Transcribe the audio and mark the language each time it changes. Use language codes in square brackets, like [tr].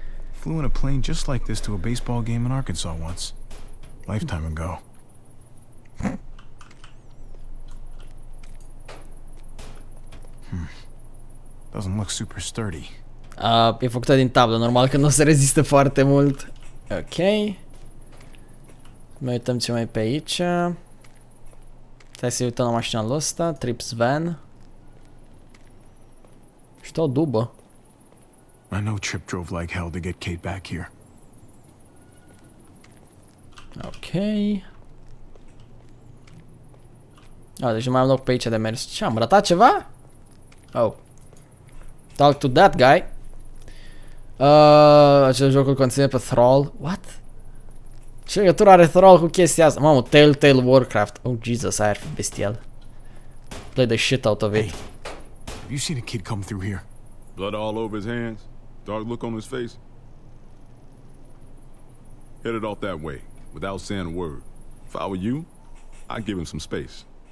[en] Flew in a plane just like this to a baseball game in Arkansas once. Lifetime ago. Doesn't look super sturdy. [ro] E făcută din tablă, normal că nu se rezistă foarte mult. Ok. Mai uităm ce mai pe aici. Stai să uităm la mașina asta, Trips Van. Și tot dubă. [en] I know Trip drove like hell to get Kate back here. Ok. [ro] Deci nu mai am loc pe aici de mers. Ce, am ratat ceva? Oh. [en] Talk to that guy. [ro] Acest joc îl conține pe Thrall. What? Ce legătură are Thrall cu chestia asta? [en] Mamă, Telltale Warcraft. Oh, Jesus, [ro] aia ar fi bestial. [en] Play the shit out of it. Hey, have you seen a kid come through here? Blood all over his hands. Dark look on his face. Headed off that way, without saying a word. If I were you, I'd give him some space.